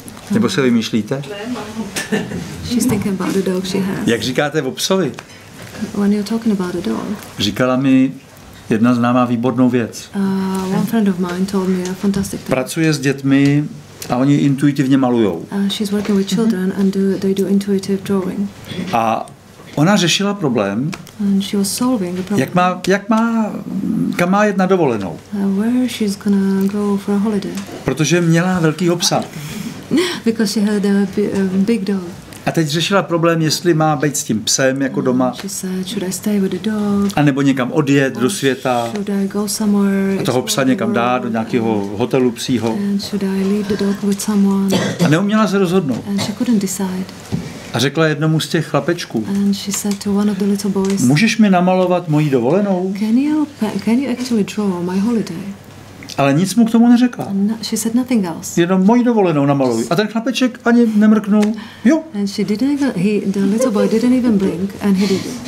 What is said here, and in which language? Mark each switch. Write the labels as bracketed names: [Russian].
[Czech] Nebo se vymýšlíte? [English] She's thinking about the dog she has. [Czech] Jak říkáte o psovi? [English] When you're talking about a dog. [Czech] Říkala mi jedna známá výbornou věc. [English] One friend of mine told me a fantastic thing. [Czech] Pracuje s dětmi a oni intuitivně malujou. [English] She's working with children and they do intuitive drawing. [Czech] A ona řešila problém. [English] And she was solving the problem. [Czech] Jak má, kam má jet na dovolenou? [English] Where she's gonna go for a holiday? [Czech] Protože měla velkýho psa. [English] Because she had a big dog. [Czech] A teď řešila problém, jestli má být s tím psem jako doma. [English] She said, should I stay with the dog? [Czech] A nebo někam odjet do světa. [English] Should I go somewhere? [Czech] A toho psa někam dát do nějakého hotelu psího. [English] And should I leave the dog with someone? [Czech] A neuměla se rozhodnout. [English] And she couldn't decide. [Czech] A řekla jednomu z těch chlapečků. [English] And she said to one of the little boys, [Czech] můžeš mi namalovat moji dovolenou? [English] Can you actually draw my holiday? [Czech] Ale nic mu k tomu neřekla. [English] She said nothing else. [Czech] Jenom moji dovolenou namaluj. A ten chlapeček ani nemrknul. Jo. [English] And she didn't even, the little boy didn't even blink and he did.